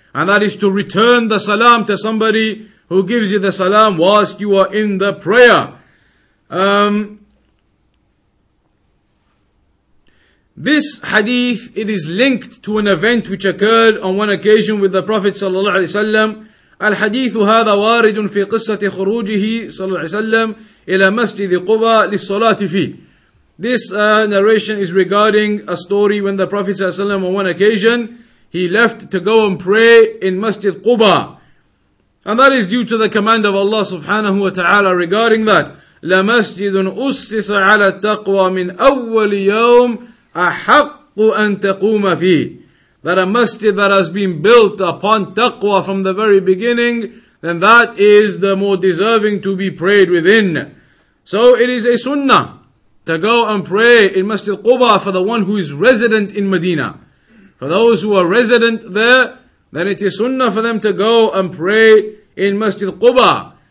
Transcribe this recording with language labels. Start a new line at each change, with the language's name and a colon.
English: And that is to return the salam to somebody who gives you the salam whilst you are in the prayer. This hadith, it is linked to an event which occurred on one occasion with the Prophet sallallahu alaihi wasallam.
Arabic: الحديث هذا وارد في قصة خروجه صلى الله عليه وسلم إلى مسجد قباء للصلاة فيه.
English: This narration is regarding a story when the Prophet
Arabic: صلى الله عليه وسلم
English: on one occasion he left to go and pray in Masjid Quba. And that is due to the command of Allah
Arabic: سبحانه وتعالى
English: regarding that.
Arabic: لمسجد أسس على التقوى من أول يوم أحق أن تقوم فيه.
English: That a masjid that has been built upon taqwa from the very beginning, then that is the more deserving to be prayed within. So it is a sunnah to go and pray in Masjid Quba for the one who is resident in Medina. For those who are resident there, then it is sunnah for them to go and pray in Masjid Quba.